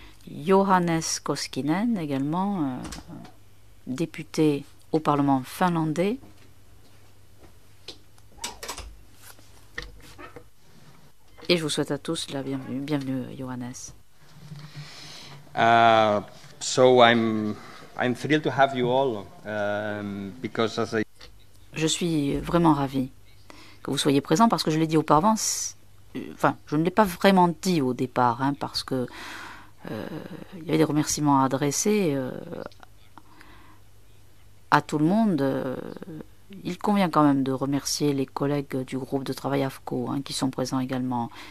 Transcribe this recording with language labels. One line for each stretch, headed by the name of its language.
French: Johannes Koskinen, également député au Parlement finlandais. Et je vous souhaite à tous la bienvenue. Bienvenue, Johannes.
English: So I'm thrilled to have you all because as I...
French: Je suis vraiment ravi que vous soyez présents parce que je l'ai dit auparavant. Enfin, je ne l'ai pas vraiment dit au départ, hein, parce que il y avait des remerciements à adresser à tout le monde. Il convient quand même de remercier les collègues du groupe de travail AFCO, hein, qui sont présents également.